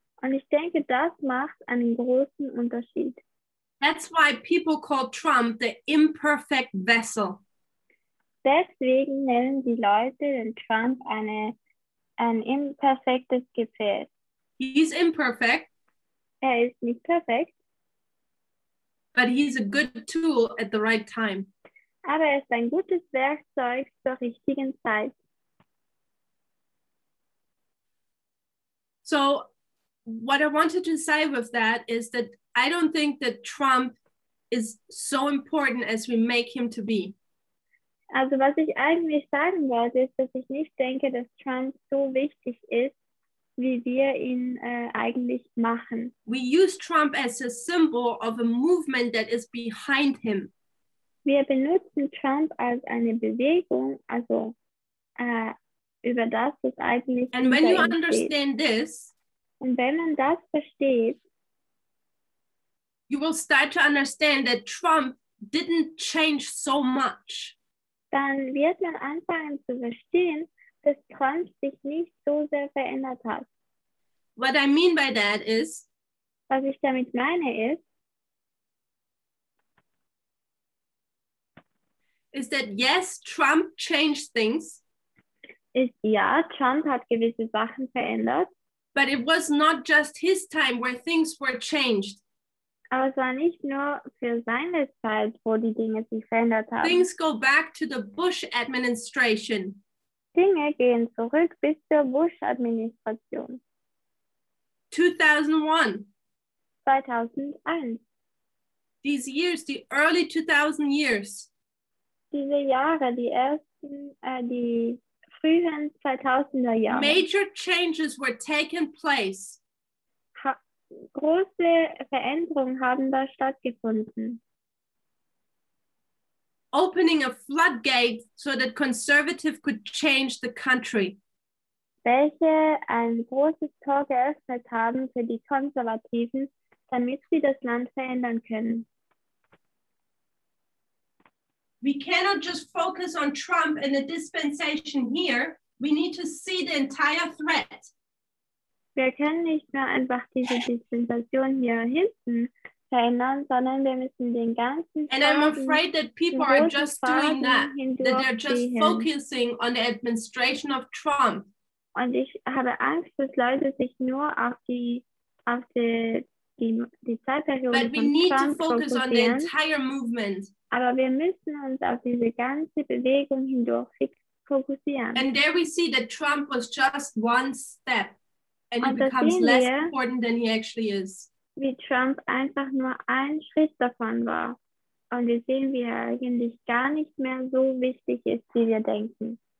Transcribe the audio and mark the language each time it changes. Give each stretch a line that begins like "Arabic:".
German: Und ich denke, das macht einen großen Unterschied.
English: That's why people call Trump the imperfect vessel.
German: Deswegen nennen die Leute den Trump ein imperfektes Gefäß.
English: He's imperfect.
German: Er ist nicht perfekt.
English: But he's a good tool at the right time.
German: Aber er ist ein gutes Werkzeug zur richtigen Zeit.
English: So, what I wanted to say with that is that I don't think that Trump is so important as we make him to be.
German: Also, was ich eigentlich sagen wollte, ist, dass ich nicht denke, dass Trump so wichtig ist, wie wir ihn eigentlich machen.
English: We use Trump as a symbol of a movement that is behind him.
German: Wir benutzen Trump als eine Bewegung, also über das, was eigentlich
English: And when you understand
German: steht.
English: This,
German: und wenn man das versteht,
English: you will start to understand that Trump didn't change so much.
German: Dann wird man anfangen zu verstehen, dass Trump sich nicht so sehr verändert hat.
English: What I mean by that is,
German: was ich damit meine ist,
English: is that yes, Trump changed things.
German: Ist, ja, Trump hat gewisse Sachen verändert.
English: But it was not just his time where things were changed.
German: Aber es war nicht nur für seine Zeit, wo die Dinge sich verändert haben.
English: Things go back to the Bush administration.
German: Dinge gehen zurück bis zur Bush-Administration.
English: 2001. These years, the early 2000 years.
German: Diese Jahre, die ersten, die frühen 2000er Jahre.
English: Major changes were taken place.
German: Große Veränderungen haben da stattgefunden.
English: Opening a floodgate so that conservative could change the country.
German: Welche ein großes Tor geöffnet haben für die Konservativen, damit sie das Land verändern können.
English: We cannot just focus on Trump and the dispensation here. We need to see the entire threat.
German: Wir können nicht nur einfach diese Dispensation hier hinten verändern, sondern wir müssen den ganzen
English: And I'm afraid that people are just doing that, that they're just focusing on the administration of Trump.
German: Und ich habe Angst, dass Leute sich nur auf die Zeitperiode
English: But we
German: von
English: need
German: Trump
English: to focus on the entire movement.
German: Aber wir müssen uns auf diese ganze Bewegung hindurch fokussieren.
English: And there we see that Trump was just one step. And he becomes less important than he actually is.
German: Wie Trump einfach nur ein Schritt davon war. Und wir sehen, wie er eigentlich gar nicht mehr so wichtig ist, wie wir denken.